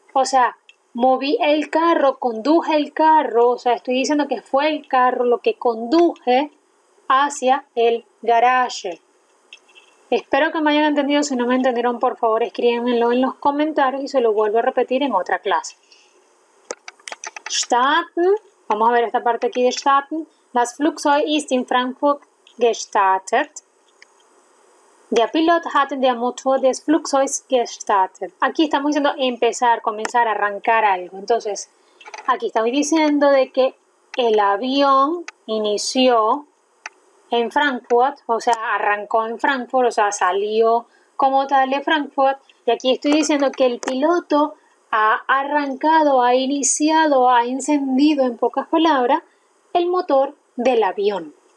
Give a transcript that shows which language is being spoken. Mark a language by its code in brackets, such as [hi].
[es] O sea, moví el carro, conduje el carro, o sea, estoy diciendo que fue el carro lo que conduje hacia el garaje. Espero que me hayan entendido. Si no me entendieron, por favor, escríbanmelo en los comentarios y se lo vuelvo a repetir en otra clase. Starten. Vamos a ver esta parte aquí de starten. [de] Das Flugzeug ist in Frankfurt gestartet. Der Pilot hat den Motor des Flugzeugs gestartet. [es] Aquí estamos diciendo empezar, comenzar, arrancar algo. Entonces, aquí estamos diciendo de que el avión inició en Frankfurt, o sea, arrancó en Frankfurt, o sea, salió como tal de Frankfurt. Y aquí estoy diciendo que el piloto ha arrancado, ha iniciado, ha encendido, en pocas palabras, el motor del avión.